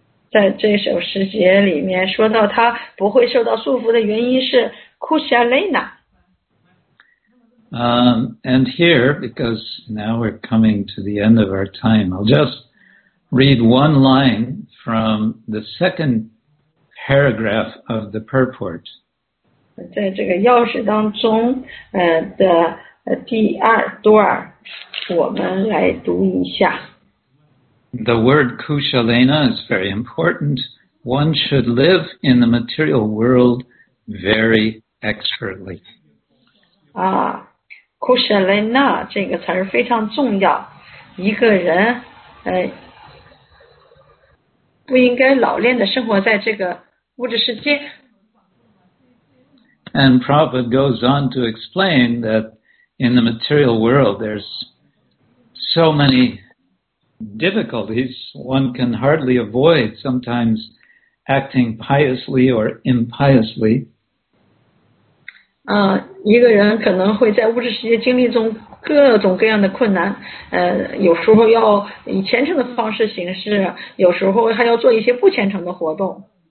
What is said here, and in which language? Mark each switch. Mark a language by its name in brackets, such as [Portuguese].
[Chinese] 在这首诗节里面说到他不会受到束缚的原因是 kushalena. [English] And here, because now we're coming to the end of our time, I'll just read one line from the second paragraph of the purport. [Chinese] 在这个钥匙当中的第二段我们来读一下。 [English] The word kushalena is very important. One should live in the material world very expertly. [Chinese] Kushalena 这个词非常重要。一个人不应该老练的生活在这个物质世界。 [English] And Prabhupada goes on to explain that in the material world, there's so many difficulties, one can hardly avoid sometimes acting piously or impiously. [Chinese] 一个人可能会在物质世界经历中各种各样的困难，有时候要以虔诚的方式行事，有时候还要做一些不虔诚的活动。